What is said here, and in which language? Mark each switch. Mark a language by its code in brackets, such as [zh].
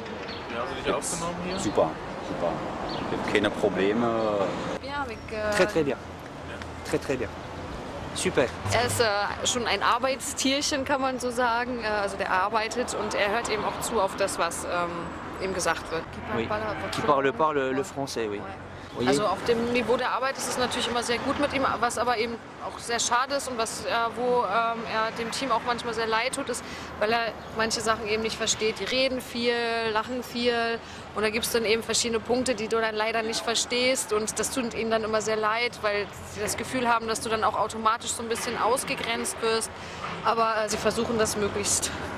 [de] Wie haben sie dich aufgenommen hier? Super, super. Es gibt keine Probleme. [fr] Ja, très, très bien. très, très bien. Super. [de] Er ist schon ein Arbeitstierchen, kann man so sagen. Also der arbeitet und er hört eben auch zu auf das, was ihm gesagt wird. [fr] Oui. Qui parle pas le français, oui. Ouais. [de] Also auf dem Niveau der Arbeit ist es natürlich immer sehr gut mit ihm, was aber eben auch sehr schade ist und was wo er dem Team auch manchmal sehr leid tut, ist, weil er manche Sachen eben nicht versteht. Die reden viel, lachen viel und da gibt es dann eben verschiedene Punkte, die du dann leider nicht verstehst und das tut ihnen dann immer sehr leid, weil sie das Gefühl haben, dass du dann auch automatisch so ein bisschen ausgegrenzt wirst, aber sie versuchen das möglichst.